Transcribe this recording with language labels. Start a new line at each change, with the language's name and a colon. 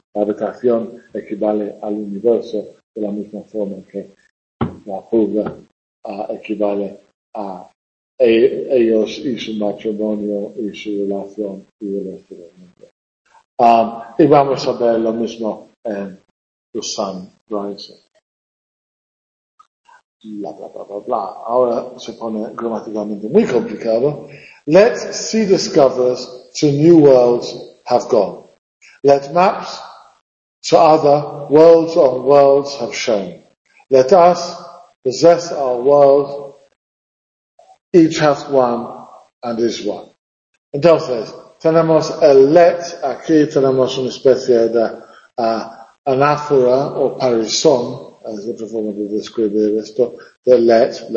Spanish: La habitación equivale al universo de la misma forma que la pulga equivale a ellos y su matrimonio y su relación y el resto del mundo. Y vamos a ver lo mismo en The Sun Rising. Bla, bla, bla, bla, bla. Ahora se pone gramaticalmente muy complicado.
English: Let sea discoverers to new worlds have gone. Let maps to other worlds on worlds have shown. Let us possess our world. Each hath one and is one. Entonces,
Spanish: tenemos el let, aquí tenemos una especie de anáfora o parison, es otra forma de describir esto, de let.